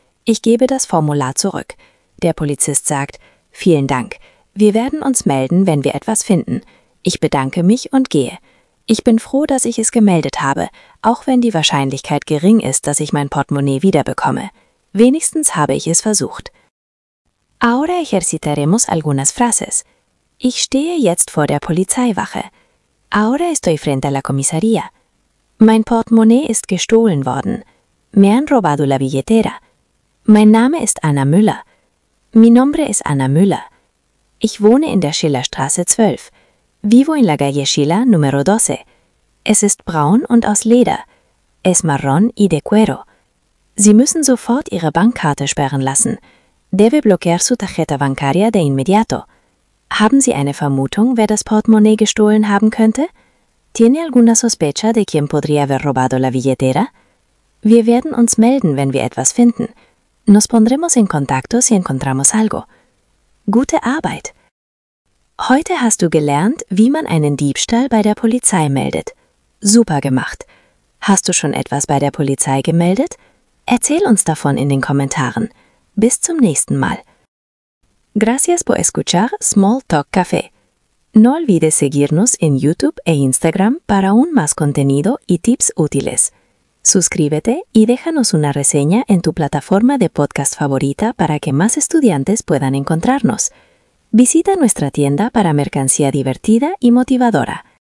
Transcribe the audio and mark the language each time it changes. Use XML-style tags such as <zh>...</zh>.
<de>Ich gebe das Formular zurück. Der Polizist sagt, vielen Dank. Wir werden uns melden, wenn wir etwas finden. Ich bedanke mich und gehe. Ich bin froh, dass ich es gemeldet habe, auch wenn die Wahrscheinlichkeit gering ist, dass ich mein Portemonnaie wiederbekomme. Wenigstens habe ich es versucht.</de> <es>Ahora ejercitaremos algunas frases.</es> <de>Ich stehe jetzt vor der Polizeiwache.</de> <es>Ahora estoy frente a la comisaría.</es> <de>Mein Portemonnaie ist gestohlen worden.</de> <es>Me han robado la billetera.</es> <de>Mein Name ist Anna Müller.</de> <es>Mi nombre es Anna Müller.</es> <de>Ich wohne in der Schillerstraße 12.</de> <es>Vivo en la calle Schiller número 12.</es> <de>Es ist braun und aus Leder.</de> <es>Es marrón y de cuero.</es> <de>Sie müssen sofort Ihre Bankkarte sperren lassen.</de> <es>Debe bloquear su tarjeta bancaria de inmediato.</es> <de>Haben Sie eine Vermutung, wer das Portemonnaie gestohlen haben könnte?</de> <es>¿Tiene alguna sospecha de quién podría haber robado la billetera?</es> <de>Wir werden uns melden, wenn wir etwas finden.</de> <es>Nos pondremos en contacto si encontramos algo.</es> <de>Gute Arbeit! Heute hast du gelernt, wie man einen Diebstahl bei der Polizei meldet. Super gemacht! Hast du schon etwas bei der Polizei gemeldet? Erzähl uns davon in den Kommentaren. Bis zum nächsten Mal.</de> <es>Gracias por escuchar Small Talk Café. No olvides seguirnos en YouTube e Instagram para aún más contenido y tips útiles. Suscríbete y déjanos una reseña en tu plataforma de podcast favorita para que más estudiantes puedan encontrarnos. Visita nuestra tienda para mercancía divertida y motivadora.</es>